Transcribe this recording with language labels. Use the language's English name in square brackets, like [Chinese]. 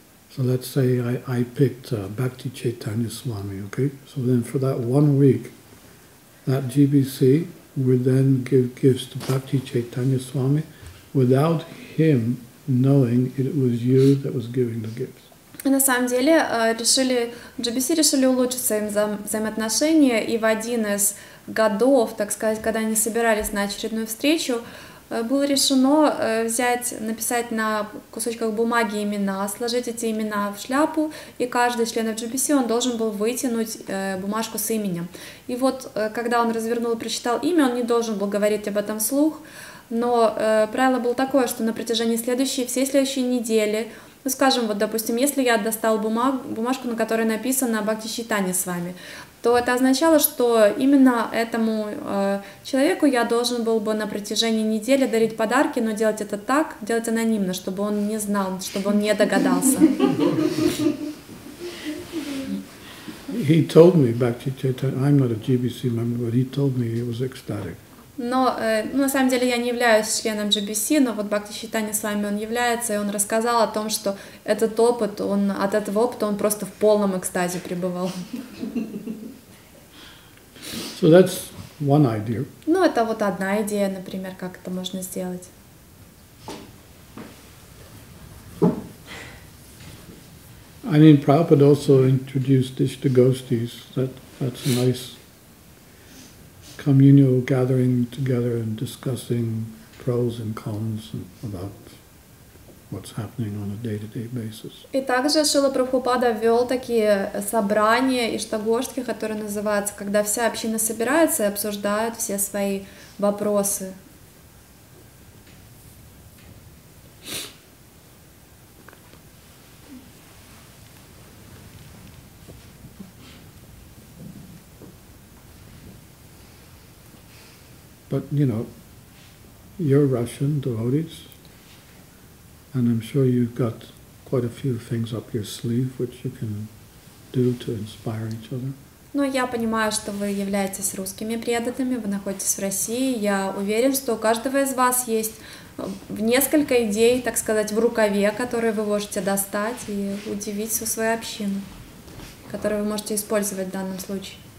[English] So let's say I picked Bhakti Chaitanya Swami, okay? So then for that 1 week, that GBC would then give gifts to Bhakti Chaitanya Swami without him knowing it was you that was giving the gifts. [Russian] И на самом деле решили, GBC решили улучшить свои взаимоотношения, и в один из годов, так сказать, когда они собирались на очередную встречу, было решено написать на кусочках бумаги имена, сложить эти имена в шляпу, и каждый член GBC он должен был вытянуть бумажку с именем. И вот, когда он развернул и прочитал имя, он не должен был говорить об этом вслух, но правило было такое, что на протяжении всей следующей недели, ну, скажем, вот, допустим, если я достал бумажку, на которой написано «Бхакти Чайтанья Свами», то это означало, что именно этому человеку я должен был бы на протяжении недели дарить подарки, но делать это так, делать анонимно, чтобы он не знал, чтобы он не догадался. [English] He told me, Bhakti Chaitanya, I'm not a GBC member, but he told me he was ecstatic. [Russian] Но, на самом деле, я не являюсь членом GBC, но вот Бхакти Чайтанья Свами, он является, и он рассказал о том, что этот опыт, он от этого опыта, он просто в полном экстазе пребывал. [English] So that's one idea. [Russian] Ну, это вот одна идея, например, как это можно сделать. [English] I mean, Prabhupada also introduced Ishtagostis. That's a nice communal gathering together and discussing pros and cons about what's happening on a day-to-day basis. [Russian] И также Шрила Прабхупада ввел такие собрания иштагоштхи, которые называются, когда вся община собирается и обсуждает все свои вопросы. Mm-hmm. [English] But, you know, you're Russian devotees, and I'm sure you've got quite a few things up your sleeve which you can do to inspire each other. [Russian] Ну, я понимаю, что вы являетесь русскими преданными, вы находитесь в России. Я уверен, что у каждого из вас есть несколько идей, так сказать, в рукаве, которые вы можете достать и удивить всю свою общину, которую вы можете использовать в данном случае.